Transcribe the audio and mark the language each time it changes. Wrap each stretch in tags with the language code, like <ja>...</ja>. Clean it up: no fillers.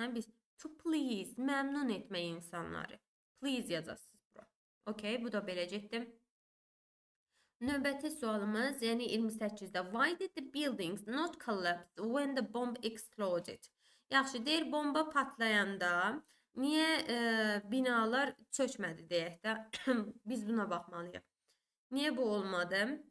<az>Həm biz</az> <en>to please,</en> <az>məmnun etmək insanları. Please yazasınız bura. Okey, bu da belə getdim. Növbəti sualımız, yəni 28-də.</az> <en>Why did the buildings not collapse when the bomb exploded?</en> <az>Yaxşı, deyir, bomba patlayanda niyə binalar çökmədi deyək də, biz buna baxmalıyıq. Niyə bu olmadı?</az>